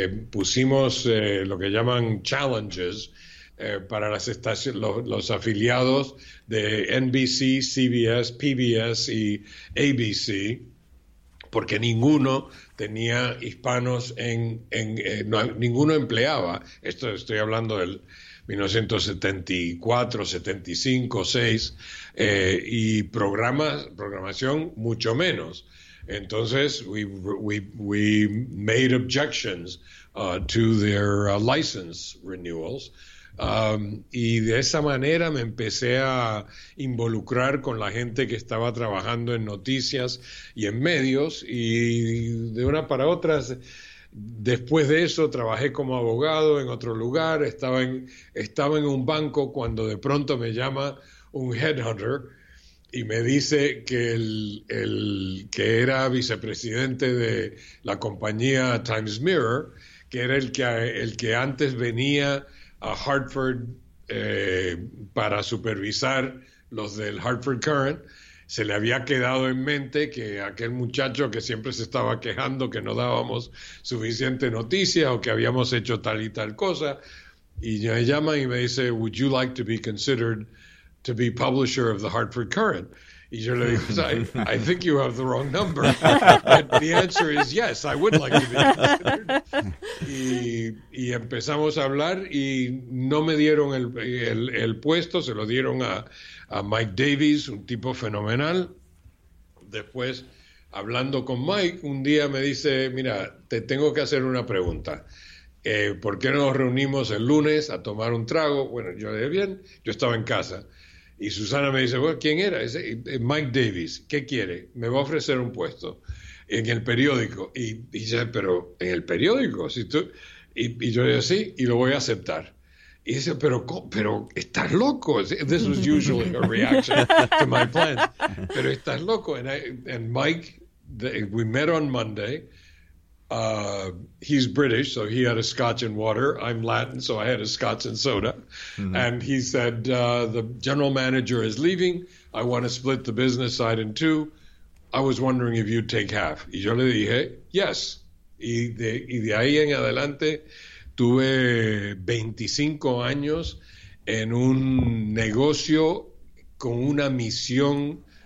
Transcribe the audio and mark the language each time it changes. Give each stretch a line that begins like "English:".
Spanish: Pusimos lo que llaman challenges para las los afiliados de NBC, CBS, PBS y ABC, porque ninguno tenía hispanos ninguno empleaba. Esto estoy hablando del 1974, 75, 6, y programación mucho menos. Entonces,
English: we made objections to their license renewals.
Spanish: Y de esa manera me empecé a involucrar con la gente que estaba trabajando en noticias y en medios, y de una para otra. Después de eso trabajé como abogado en otro lugar, estaba en un banco cuando de pronto me llama un headhunter y me dice que el que era vicepresidente de la compañía Times Mirror, que era el que antes venía a Hartford para supervisar los del Hartford Courant, se le había quedado en mente que aquel muchacho que siempre se estaba quejando que no dábamos suficiente noticia o que habíamos hecho tal y tal cosa, y me llama y me dice,
English: "Would you like to be considered to be publisher of the Hartford Courant?"
Spanish: Y yo le digo,
English: I think you have the wrong number. And the answer is yes, I would like to be considered.
Spanish: Y empezamos a hablar y no me dieron el puesto, se lo dieron a Mike Davies, un tipo fenomenal. Después, hablando con Mike, un día me dice, mira, te tengo que hacer una pregunta. ¿Por qué no nos reunimos el lunes a tomar un trago? Bueno, yo le dije, bien, yo estaba en casa. Y Susana me dice, bueno, ¿quién era? Dice, Mike Davies, ¿qué quiere? Me va a ofrecer un puesto en el periódico. Y dice, pero ¿en el periódico? Si tú... y yo le dije, sí, y lo voy a aceptar. Y dice, pero ¿estás loco?
English: This was usually a reaction to my plan.
Spanish: Pero ¿estás loco?
English: And Mike, we met on Monday. He's British, so he had a scotch and water. I'm Latin, so I had a scotch and soda. Mm-hmm. And he said, the general manager is leaving. I want to split the business side in two. I was wondering if you'd take half.
Spanish: Y yo le dije,
English: yes.
Spanish: Y de ahí en adelante, tuve 25 años en un negocio con una misión